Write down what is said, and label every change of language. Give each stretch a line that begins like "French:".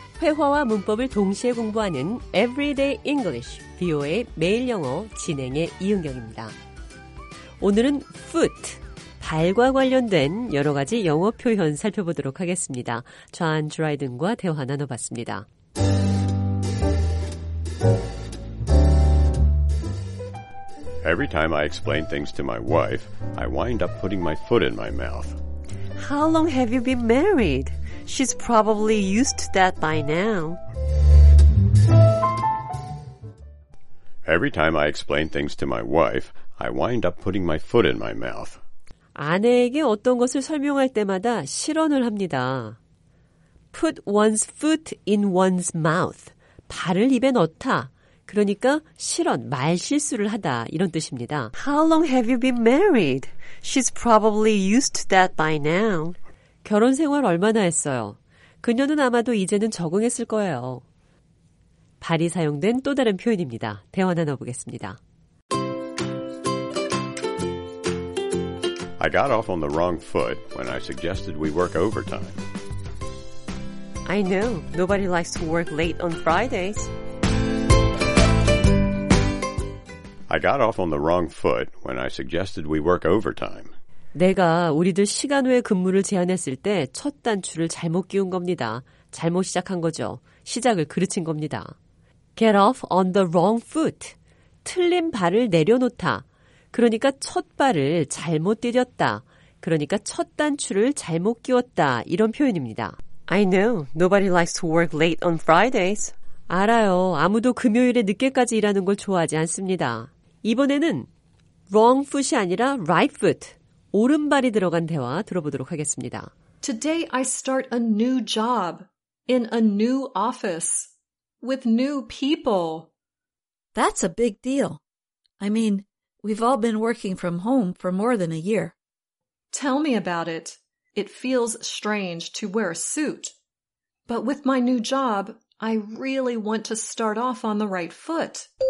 Korean: 회화와 문법을 동시에 공부하는 Everyday English, VOA 매일 영어 진행의 이은경입니다. 오늘은 foot, 발과 관련된 여러 가지 영어 표현 살펴보도록 하겠습니다. 존 드라이든과 대화 나눠봤습니다.
English: Every time I explain things to my wife, I wind up putting my foot in my mouth. How long have you been married? She's probably used to that by now. Every time I explain things to my wife, I wind up putting my foot in my mouth.
Korean: 아내에게 어떤 것을 설명할 때마다 실언을 합니다.
English: Put one's foot in one's mouth.
Korean: 발을 입에 넣다. 그러니까 실언, 말실수를 하다 이런 뜻입니다.
English: How long have you been married? She's probably used to that by now.
Korean: 결혼 생활 얼마나 했어요? 그녀는 아마도 이제는 적응했을 거예요. 발이 사용된 또 다른 표현입니다. 대화 나눠보겠습니다.
English: I got off on the wrong foot when I suggested we work overtime. I know. Nobody likes to work late on Fridays. I got off on the wrong foot when I suggested we work overtime.
Korean: 내가 우리들 시간 외 근무를 제안했을 때 첫 단추를 잘못 끼운 겁니다. 잘못 시작한 거죠. 시작을 그르친 겁니다.
English: Get off on the wrong foot.
Korean: 틀린 발을 내려놓다. 그러니까 첫 발을 잘못 디뎠다. 그러니까 첫 단추를 잘못 끼웠다. 이런 표현입니다.
English: I know. Nobody likes to work late on Fridays.
Korean: 알아요. 아무도 금요일에 늦게까지 일하는 걸 좋아하지 않습니다. 이번에는 wrong foot이 아니라 right foot, 오른발이 들어간 대화 들어보도록 하겠습니다.
English: Today I start a new job in a new office with new people. That's a big deal. I mean, we've all been working from home for more than a year. Tell me about it. It feels strange to wear a suit. But with my new job, I really want to start off on the right foot.